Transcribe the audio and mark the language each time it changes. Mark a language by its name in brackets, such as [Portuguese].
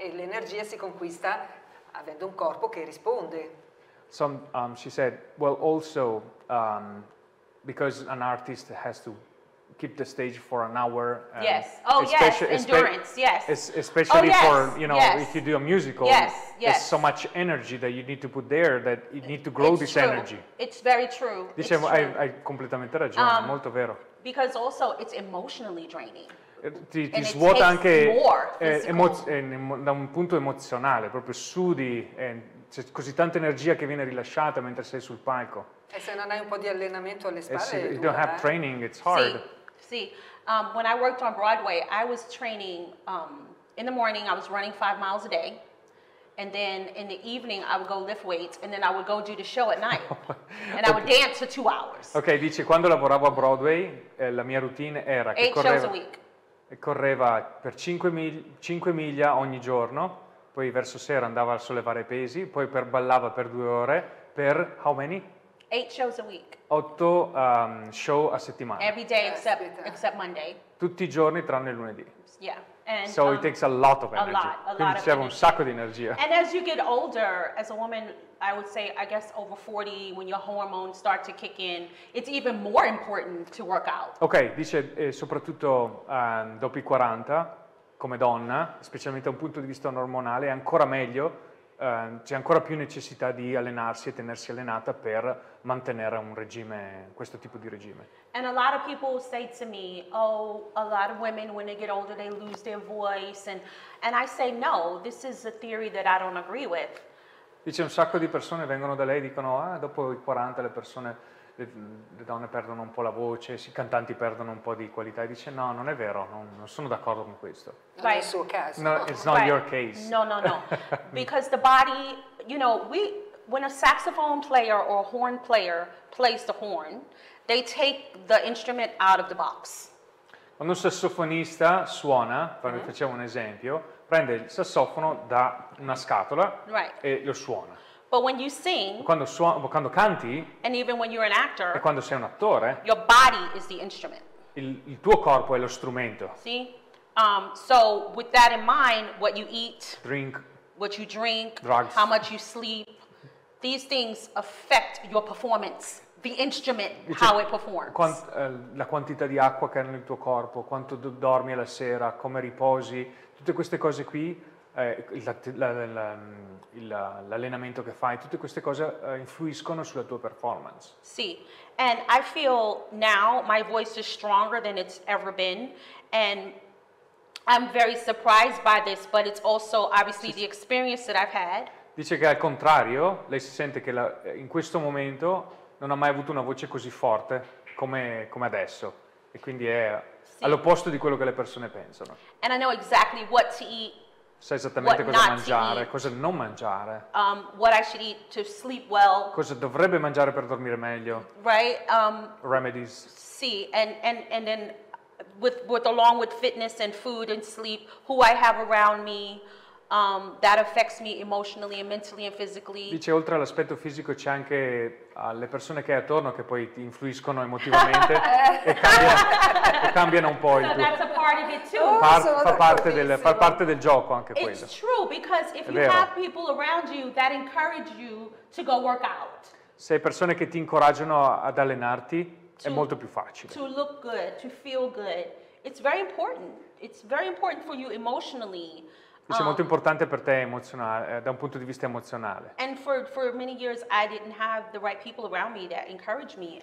[Italian] E l'energia si conquista avendo un corpo che risponde. [English] She said, well, also, because an artist has to keep the stage for an hour. Yes. Oh, yes. Endurance. Yes. Especially for, you know, if you do a musical. Yes. Yes. There's so much energy that you need to put there that you need to grow this energy. It's very true. [Italian] Dicevo, hai completamente ragione. Molto vero. Because also it's emotionally draining. Ti svuota anche da un punto emozionale, proprio sudi. C'è così tanta energia che viene rilasciata mentre sei sul palco. E se non hai un po' di allenamento alle spalle, [English] se you don't have training, it's hard. Sì, when I worked on Broadway, I was training in the morning, I was running 5 miles a day, and then in the evening I would go lift weights, and then I would go do the show at night, and I would dance for 2 hours. [Italian] Ok, dice, quando lavoravo a Broadway, la mia routine era che correva per 5 miglia ogni giorno, poi verso sera andava a sollevare pesi, poi ballava per 2 ore, per [English] how many? 8 shows a week. [Italian] 8 show a settimana. [English] Every day except Monday. [Italian] Tutti i giorni tranne il lunedì. [English] Yeah. And, so it takes a lot of energy. [Italian] Quindi serve un sacco di energia. [English] And as you get older, as a woman, I would say, I guess over 40, when your hormones start to kick in, it's even more important to work out. [Italian] Ok, dice soprattutto dopo i 40, come donna, specialmente da un punto di vista ormonale, è ancora meglio. C'è ancora più necessità di allenarsi e tenersi allenata per mantenere un regime, questo tipo di regime. [English] And a lot of people say to me, oh, a lot of women when they get older they lose their voice, and I say no, this is a theory that I don't agree with. [Italian] Dice, un sacco di persone vengono da lei e dicono, dopo i 40 le donne perdono un po' la voce, i cantanti perdono un po' di qualità, e dice no, non è vero, non sono d'accordo con questo. Non è il suo caso. [English] No, it's not your case. No. Because the body, you know, when a saxophone player or a horn player plays the horn, they take the instrument out of the box. [Italian] Quando un sassofonista suona, facciamo un esempio, prende il sassofono da una scatola e lo suona. [English] But when you sing, [Italian] quando canti, [English] and even when you're an actor, [Italian] e quando sei un attore, [English] your body is the instrument. [Italian] Il tuo corpo è lo strumento. [English] See? So with that in mind, what you eat, drink, what you drink, drugs, how much you sleep, these things affect your performance, the instrument, how it performs. [Italian] La quantità di acqua che è nel tuo corpo, quanto dormi alla sera, come riposi, tutte queste cose qui. L'allenamento che fai, tutte queste cose influiscono sulla tua performance. [English] Sì, and I feel now my voice is stronger than it's ever been, and I'm very surprised by this, but it's also obviously the experience that I've had. [Italian] Dice che al contrario, lei si sente che la, in questo momento non ha mai avuto una voce così forte come, come adesso. E quindi è all'opposto di quello che le persone pensano. [English] And I know exactly what to eat. [Italian] Sa esattamente cosa mangiare, cosa non mangiare. [English] What I should eat to sleep well. [Italian] Cosa dovrebbe mangiare per dormire meglio. [English] Right? Remedies. Sì, and then with along with fitness and food and sleep, who I have around me, that affects me emotionally and mentally and physically. [Italian] Dice oltre all'aspetto fisico c'è anche le persone che hai attorno che poi ti influiscono emotivamente e cambiano un po' il tuo. [English] That's a part of it too. [Italian] Fa parte del gioco anche quello. [English] It's true because if you have people around you that encourage you to go work out. [Italian] Se hai persone che ti incoraggiano ad allenarti è molto più facile. [English] To look good, to feel good. It's very important. It's very important for you emotionally. [Italian] È molto importante per te emozionale, da un punto di vista emozionale. [English] And for many years I didn't have the right people around me that encouraged me.